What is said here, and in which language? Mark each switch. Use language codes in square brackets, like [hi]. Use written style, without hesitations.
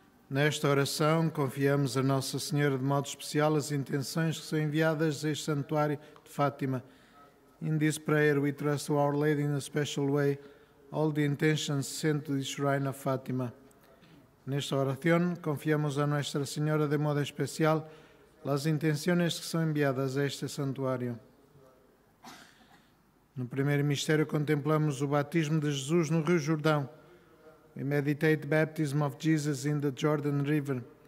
[pt] Nesta oração, confiamos a Nossa Senhora de modo especial as intenções que são enviadas a este santuário de Fátima. [en] In this prayer, we trust to Our Lady in a special way all the intentions sent to the Shrine of Fátima. [pt] Nesta oração, confiamos a Nossa Senhora de modo especial as intenções que são enviadas a este santuário. No primeiro mistério, contemplamos o batismo de Jesus no Rio Jordão. [en] We meditate the baptism of Jesus in the Jordan River.